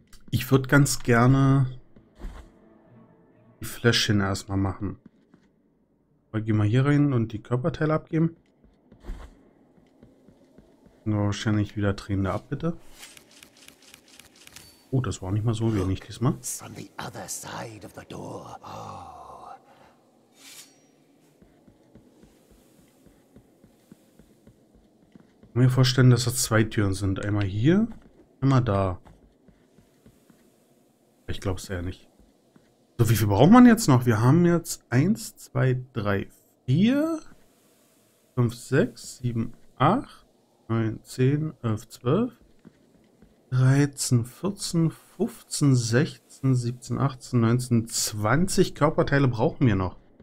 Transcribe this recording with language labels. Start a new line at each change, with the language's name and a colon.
German: Ich würde ganz gerne die Fläschchen erstmal machen. Aber gehen wir hier rein und die Körperteile abgeben. Wahrscheinlich wieder drehende Abbitte. Oh, das war nicht mal so wenig diesmal.
English: On the other side of the door. Oh.
German: Ich kann mir vorstellen, dass das zwei Türen sind. Einmal hier, einmal da. Ich glaube es eher nicht. So, wie viel braucht man jetzt noch? Wir haben jetzt 1, 2, 3, 4, 5, 6, 7, 8, 9, 10, 11, 12, 13, 14, 15, 16, 17, 18, 19, 20 Körperteile brauchen wir noch.